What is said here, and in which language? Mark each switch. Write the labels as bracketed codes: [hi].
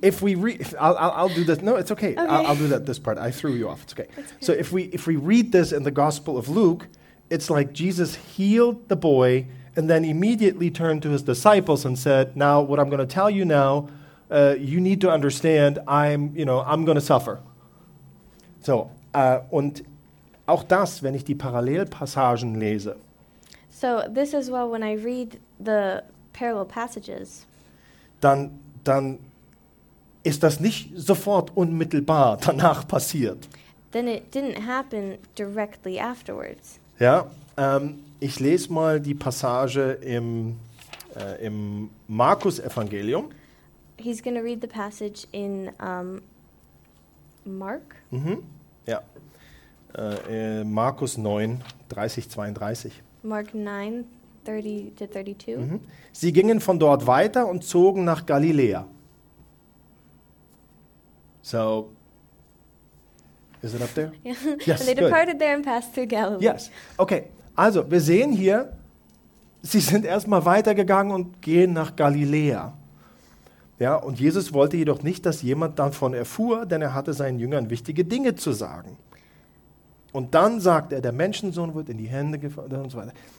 [en] If we read, I'll do this. No, it's okay. Okay. I'll do that. This part, I threw you off. It's okay. So if we read this in the Gospel of Luke, it's like Jesus healed the boy and then immediately turned to his disciples and said, "Now, what I'm going to tell you now, you need to understand. I'm going to suffer." [de] So und auch das, wenn ich die Parallelpassagen lese. [en] So this is well when I read the parallel passages. [de] Dann ist das nicht sofort unmittelbar danach passiert. [en] Then it didn't happen directly afterwards. [de] Ja, ich lese mal die Passage im Markus-Evangelium. [en] He's going to read the passage in Mark. [de] Mhm, ja. Markus 9, 30, 32. [en] Mark 9. 30-32. Mhm. [de] Sie gingen von dort weiter und zogen nach Galiläa. So, [en] Is it up there? Yes, and they departed good. There and passed through Galilee. Yes. Okay. [de] Also, wir sehen hier, sie sind erstmal weitergegangen und gehen nach Galiläa. Ja, und Jesus wollte jedoch nicht, dass jemand davon erfuhr, denn er hatte seinen Jüngern wichtige Dinge zu sagen. Und dann sagt er, der Menschensohn wird in die Hände gefallen und so weiter.